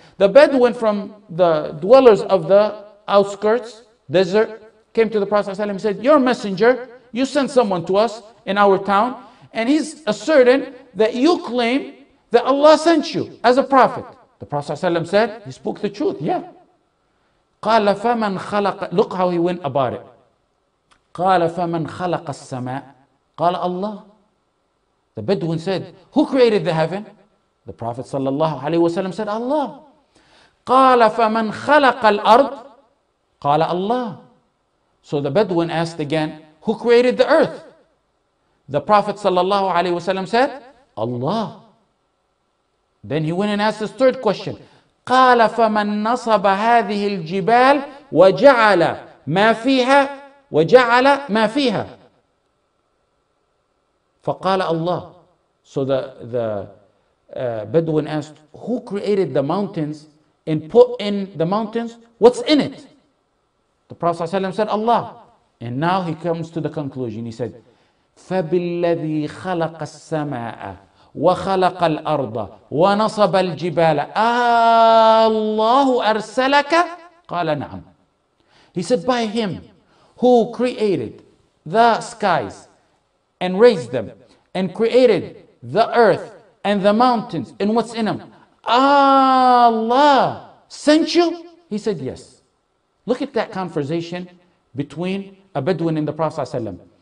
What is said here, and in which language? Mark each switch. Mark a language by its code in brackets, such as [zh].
[en] The Bedouin from the dwellers of the outskirts, desert, came to the Prophet ﷺ and said, your messenger, you sent someone to us in our town, and he's asserting that you claim that Allah sent you as a prophet. The Prophet ﷺ said, he spoke the truth, yeah. [ar] قَالَ فَمَنْ خَلَقَ [en] Look how he went about it. [ar] قَالَ فَمَنْ خَلَقَ السَّمَاءِ قَالَ Allah. [en] The Bedouin said, who created the heaven? The Prophet ﷺ said, Allah. [ar] قَالَ فَمَنْ خَلَقَ الْأَرْضِ قَالَ Allah. [en] So the Bedouin asked again, who created the earth? The Prophet ﷺ said, Allah. Then he went and asked his third question. [ar] قَالَ فَمَنْ نَصَبَ هَذِهِ الْجِبَالِ وَجَعَلَ مَا فِيهَا وَجَعَلَ مَا فِيهَا فَقَالَ Allah. [en] So the Bedouin asked, who created the mountains and put in the mountains? What's in it? The Prophet ﷺ said, Allah. And now he comes to the conclusion. He said, [ar] فَبِالَّذِي خَلَقَ السَّمَاءَ وَخَلَقَ الْأَرْضَ وَنَصَبَ الْجِبَالَ أَاللَّهُ أَرْسَلَكَ قَالَ نَعَمْ. [en] He said, by him who created the skies and raised them and created the earth and the mountains and what's in them, Allah sent you? He said, yes. Look at that conversation between a Bedouin and the Prophet ﷺ.